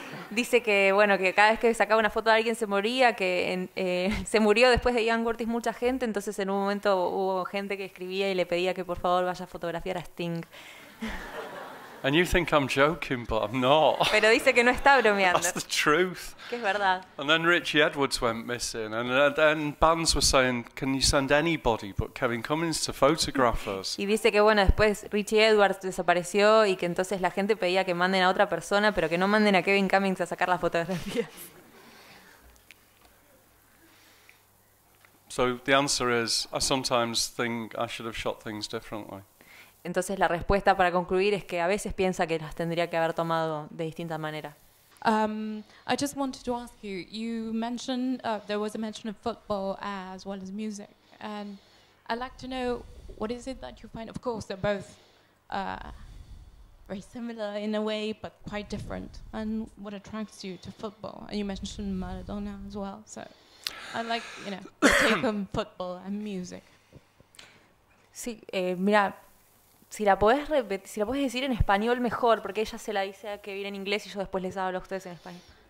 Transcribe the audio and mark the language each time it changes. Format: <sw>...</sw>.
<es>Dice que, bueno, que cada vez que sacaba una foto de alguien se moría, que se murió después de Ian Curtis mucha gente, entonces en un momento hubo gente que escribía y le pedía que por favor vaya a fotografiar a Sting.</es> <en>And you think I'm joking, but I'm not.</en> <es>Pero dice que no está bromeando.</es> <en>That's the truth.</en> <es>Que es verdad.</es> <en>And then Richie Edwards went missing, and then bands were saying, "Can you send anybody but Kevin Cummins to photograph us?"</en> <es>Y dice que bueno, después Richie Edwards desapareció y que entonces la gente pedía que manden a otra persona, pero que no manden a Kevin Cummins a sacar las fotografías.</es> <en>So the answer is, I sometimes think I should have shot things differently.</en> <es>Entonces la respuesta para concluir es que a veces piensa que las tendría que haber tomado de distinta manera.</es> <en>I just wanted to ask you. You mentioned there was a mention of football as well as music, and I'd like to know what is it that you find. Of course, they're both very similar in a way, but quite different. And what attracts you to football? And you mentioned Maradona as well. So I'd like, you know, to take on football and music.</en> <es>Sí, mira. Si la puedes decir en español mejor, porque ella se la dice a Kevin en inglés y yo después les hablo a ustedes en español.</es>